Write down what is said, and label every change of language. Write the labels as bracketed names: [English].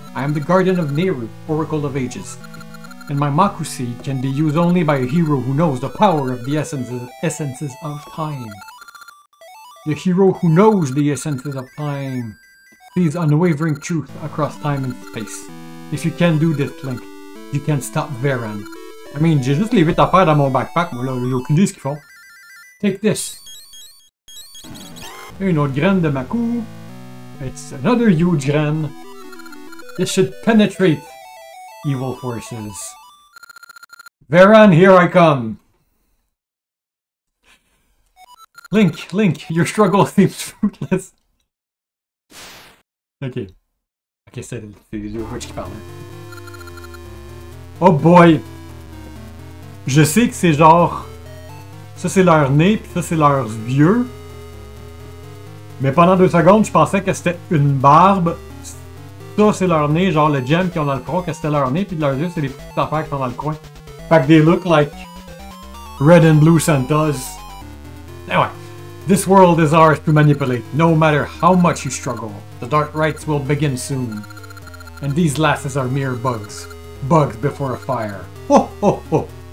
[English] I am the Guardian of Nehru, Oracle of Ages. And my Maku seed can be used only by a hero who knows the power of the essences of time. The hero who knows the essences of time sees unwavering truth across time and space. If you can do this, Link, you can stop Varan. I mean, [French] j'ai juste leave it affaire dans mon backpack, mais là, il y a aucune idée ce qu'il faut. [English] Take this. [French] Une autre graine de Maku. [English] It's another huge gem. This should penetrate evil forces. Varan, here I come. Link, Link, your struggle seems fruitless. [French] Okay. Okay, c'est les deux qui parlent. Oh boy. Je sais que c'est genre... Ça c'est leur nez, puis ça c'est leur vieux. Mais pendant 2 secondes, je pensais que c'était une barbe. Ça, c'est leur nez, genre le gem qu'ils ont dans le front, que c'était leur nez, puis de leurs yeux, c'est les petites affaires qu'ils ont dans le coin. Fait que [English] they look like red and blue Santas. Anyway, this world is ours to manipulate, no matter how much you struggle. The dark rites will begin soon. And these lasses are mere bugs. Bugs before a fire. Ho ho ho!